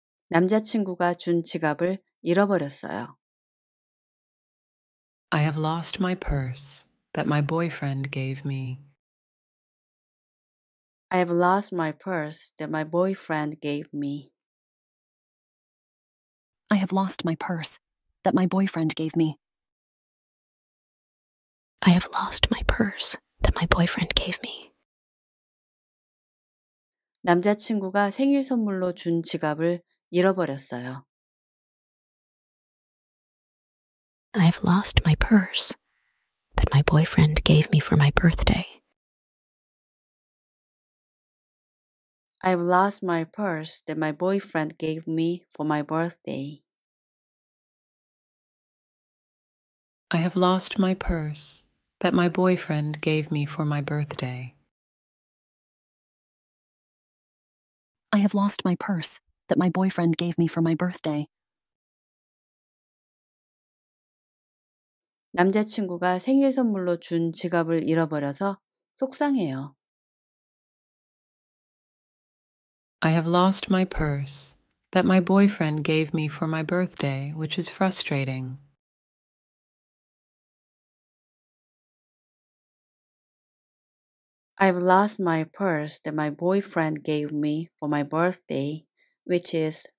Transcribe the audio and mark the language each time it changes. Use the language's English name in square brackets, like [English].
[Korean] 남자친구가 준 지갑을 잃어버렸어요. [English] I have lost my purse that my boyfriend gave me. I have lost my purse that my boyfriend gave me. I have lost my purse that my boyfriend gave me. I have lost my purse that my boyfriend gave me. [Korean] 남자친구가 생일 선물로 준 지갑을 잃어버렸어요. [English] I have lost my purse that my boyfriend gave me for my birthday. I have lost my purse that my boyfriend gave me for my birthday. I have lost my purse that my boyfriend gave me for my birthday. I have lost my purse that my boyfriend gave me for my birthday. [Korean] 남자친구가 생일 선물로 준 지갑을 잃어버려서 속상해요. [English] I have lost my purse that my boyfriend gave me for my birthday, which is frustrating. I have lost my purse that my boyfriend gave me for my birthday, which is